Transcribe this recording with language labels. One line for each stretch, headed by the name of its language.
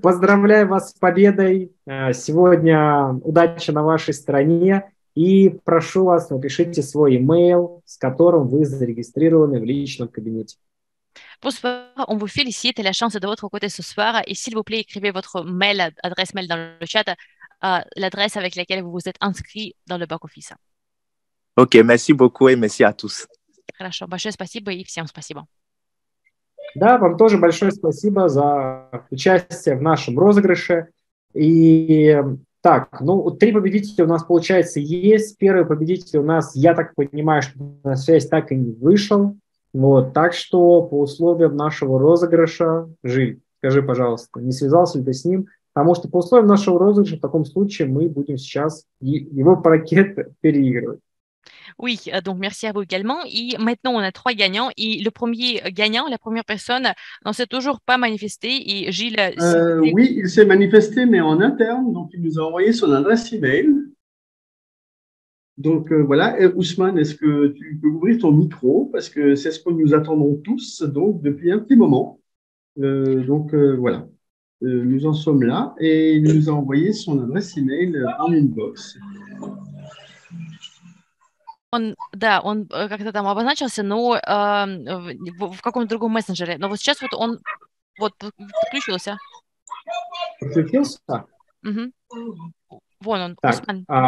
Russian: Поздравляю вас с победой. Сегодня удача на вашей стороне. И прошу вас, напишите свой email, с которым вы зарегистрированы в личном кабинете.
French: Bonsoir, on vous félicite, la chance de votre côté ce soir. Et s'il vous plaît, écrivez votre mail, adresse mail dans le chat, l'adresse avec laquelle vous vous êtes inscrit dans le back office. Ok, merci beaucoup et merci à tous.
Russian: Хорошо, большое спасибо и всем спасибо. Да, вам тоже большое спасибо за участие в нашем розыгрыше. И... Так, ну, три победителя у нас, получается, есть. Первый победитель у нас, я так понимаю, что на связь так и не вышел. Вот, так что по условиям нашего розыгрыша, Жиль, скажи, пожалуйста, не связался ли ты с ним? Потому что по условиям нашего розыгрыша в таком случае мы будем сейчас его пакет переигрывать.
French: Oui, donc merci à vous également. Et maintenant, on a trois gagnants. Et le premier gagnant, la première personne, n'en s'est toujours pas manifesté. Et Gilles... Oui, il s'est manifesté, mais en interne. Donc, il nous a envoyé son adresse email. Donc, voilà. Et Ousmane, est-ce que tu peux ouvrir ton micro? Parce que c'est ce que nous attendons tous, donc, depuis un petit moment. Voilà. Nous en sommes là. Et il nous a envoyé son adresse email en inbox.
Russian: Он, да, он как-то там обозначился, но в каком-то другом мессенджере. Но вот сейчас вот он вот подключился. Подключился? Угу. Вон он, так, Усман.